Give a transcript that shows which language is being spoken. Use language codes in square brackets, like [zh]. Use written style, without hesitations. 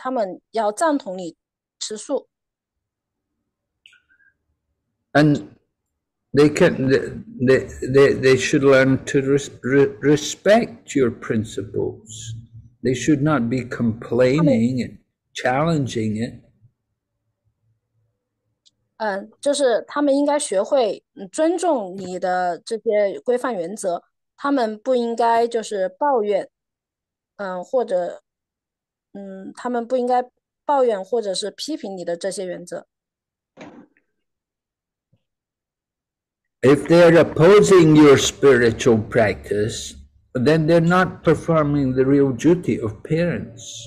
[zh] 就是您应该向你的家长去解释这个情况，就是也许他们不是素食者，但是至少你回家的那几天呢，他们要赞同你吃素。 [en] And they can they should learn to respect your principles. They should not be complaining and challenging it. [zh] 就是他们应该学会尊重你的这些规范原则，他们不应该就是抱怨，或者他们不应该抱怨或者是批评你的这些原则。 [en] If they are opposing your spiritual practice, then they're not performing the real duty of parents.